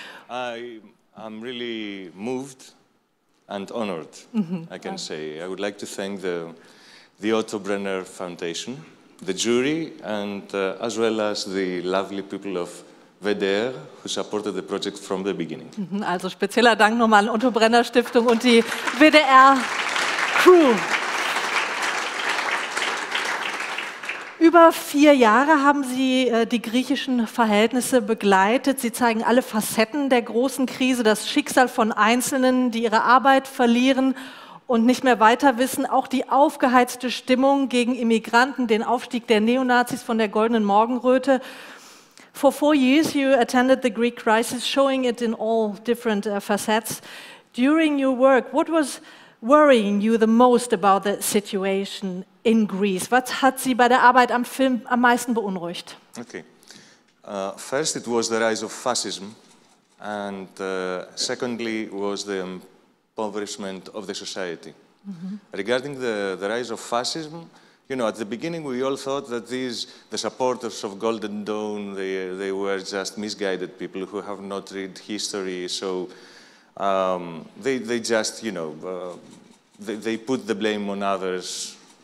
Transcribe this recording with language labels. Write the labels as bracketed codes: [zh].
[en] I'm really moved and honored, I can say. I would like to thank the Otto Brenner Foundation, the jury, and as well as the lovely people of WDR, who supported the project from the beginning. [de] Also spezieller Dank nochmal an Otto Brenner Stiftung und die WDR-Crew. Über 4 Jahre haben Sie die griechischen Verhältnisse begleitet. Sie zeigen alle Facetten der großen Krise, das Schicksal von Einzelnen, die ihre Arbeit verlieren und nicht mehr weiter wissen. Auch die aufgeheizte Stimmung gegen Immigranten, den Aufstieg der Neonazis von der goldenen Morgenröte. [en] For 4 years you attended the Greek crisis, showing it in all different facets. During your work, what was worrying you the most about the situation in Greece? [de] Was hat Sie bei der Arbeit am Film am meisten beunruhigt? [en] Okay. First it was the rise of fascism and secondly was the impoverishment of the society. Mm-hmm. Regarding the rise of fascism, you know, at the beginning we all thought that the supporters of Golden Dawn, they were just misguided people who have not read history, so they just, you know, they put the blame on others.